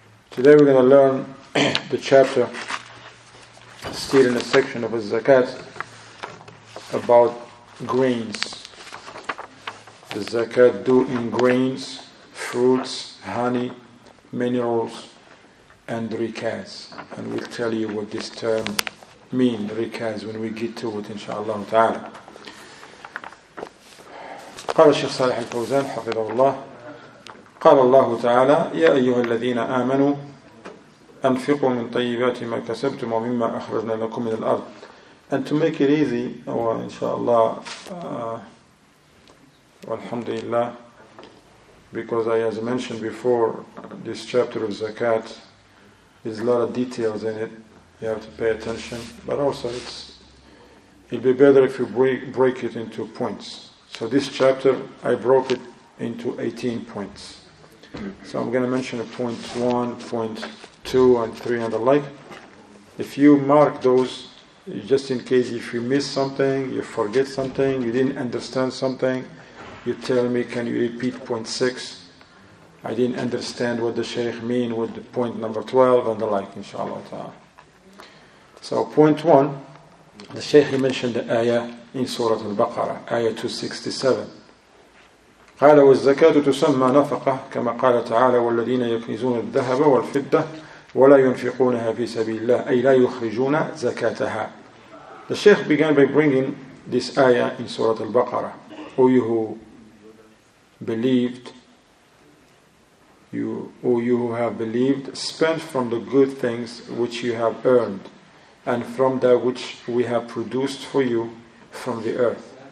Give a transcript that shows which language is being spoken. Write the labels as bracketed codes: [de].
[en] Today we're going to learn the chapter, still in a section of Al-Zakat, about grains. The Zakat due in grains, fruits, honey, minerals, and rikaz. And we'll tell you what this term means, rikaz, when we get to it, inshallah ta'ala. [ar] قال الشيخ صالح الفوزان حفظه الله، قال الله تعالى: يا أيها الذين آمنوا أنفقوا من طيبات ما كسبتم ومما أخرجنا لكم من الأرض. [en] And to make it easy, [ar] إن شاء الله والحمد لله, [en] because I, as mentioned before, this chapter of Zakat is a lot of details in it, you have to pay attention, but also it'll be better if you break it into points. So this chapter, I broke it into 18 points. So I'm going to mention a point 1, point 2, and 3, and the like. If you mark those, just in case if you miss something, you forget something, you didn't understand something, you tell me, can you repeat point 6? I didn't understand what the Shaykh mean with the point number 12, and the like, inshallah ta'ala. So point 1, the Shaykh mentioned the ayah in Surah Al-Baqarah, Ayah 267. [ar] قال والزكاة تسمى نفقة كما قال تعالى والذين يكنزون الذهب والفضة ولا ينفقونها في سبيل الله أي لا يخرجون زكاتها. [en] The Shaykh began by bringing this ayah in Surah Al-Baqarah. O you who believed, you who have believed, spend from the good things which you have earned and from that which we have produced for you from the earth.